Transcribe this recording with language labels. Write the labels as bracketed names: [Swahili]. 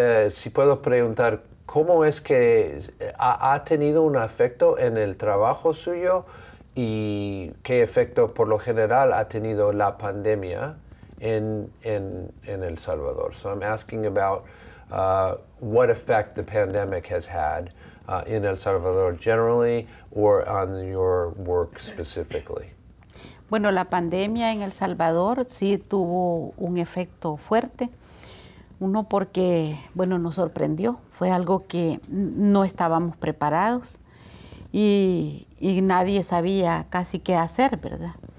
[Spanish] Si puedo preguntar, ¿cómo es que ha tenido un efecto en el trabajo suyo y qué efecto por lo general ha tenido la pandemia en El Salvador? [English] So I'm asking about what effect the pandemic has had in El Salvador generally, or on your work specifically? [Spanish] Bueno, la pandemia en El Salvador sí tuvo un efecto fuerte. Uno porque, bueno, nos sorprendió. Fue algo que no estábamos preparados y nadie sabía casi qué hacer, ¿verdad?